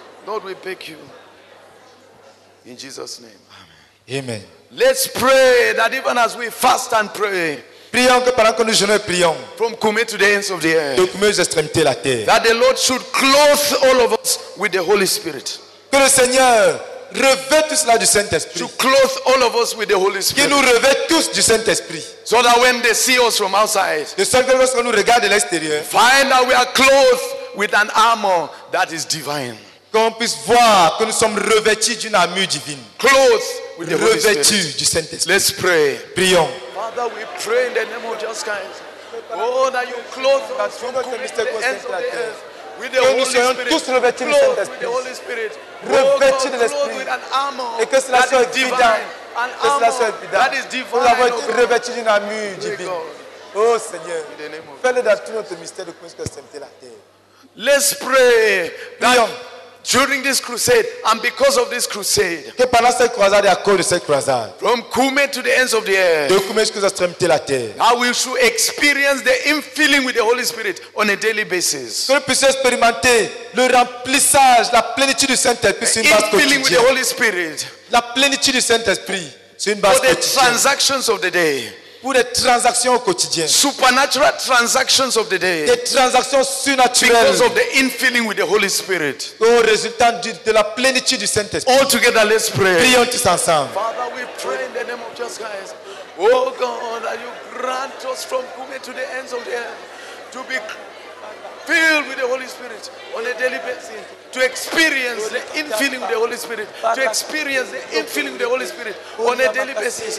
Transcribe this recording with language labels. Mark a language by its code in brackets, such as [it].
[en] Lord, we beg you. In Jesus' name. Amen. Amen. Let's pray that even as we fast and pray, [fr] prions que pendant que nous jeûnons, prions, [en] from Kume to the ends of the earth, [fr] de Kume aux extrémités de la terre, [en] that the Lord should clothe all of us with the Holy Spirit. [fr] Que le Seigneur revêt tout cela du Saint-Esprit. [en] To clothe all of us with the Holy Spirit. [fr] Qui nous revêt tous du Saint-Esprit. [en] So that when they see us from outside, [fr] de sorte que lorsqu'on nous regarde de l'extérieur, [en] find that we are clothed with an armor that is divine. [fr] Qu'on puisse voir que nous sommes revêtus d'une armure divine. [en] Clothed with the Holy Spirit. [fr] Revêtus du Saint-Esprit. [en] Let's pray. [fr] Prions. [en] Father, we pray in the name of Jesus Christ. Oh, that you clothe us from Kume to the ends of the earth. With the [fr] que nous soyons tous revêtus du Saint-Esprit. Revêtus de l'Esprit. Et que cela soit évident. Que cela soit évident. Nous avons été revêtus d'une armure divine. Oh Seigneur. Fais-le dans tout notre mystère de Christ que sainteté la terre. [en] Let's pray. [fr] Prions. [en] During this crusade and because of this crusade, [fr] que pendant cette croisade et à cause de cette croisade, [en] from Kume to the ends of the earth, [fr] de Kume jusqu'aux extrémités de la terre, [en] that we should experience the infilling with the Holy Spirit on a daily basis. [fr] Que nous puissions expérimenter le remplissage, la plénitude du Saint-Esprit sur une base quotidienne. [en] Infilling with the Holy Spirit. [fr] La plénitude du Saint-Esprit sur une base quotidienne. [en] For the transactions of the day. [fr] Pour des transactions au quotidien. [en] Supernatural transactions of the day. [fr] Des transactions surnaturelles. [en] Because of the infilling with the Holy Spirit. [fr] Au résultat de la plénitude du Saint-Esprit. [en] All together, let's pray. [fr] Prions tous ensemble. [en] Father, we pray in the name of Jesus Christ. Oh God, that you grant us from Kume to the ends of the earth to be filled with the Holy Spirit on a daily basis. To experience the infilling of the Holy Spirit. To experience the infilling of the Holy Spirit on a daily basis.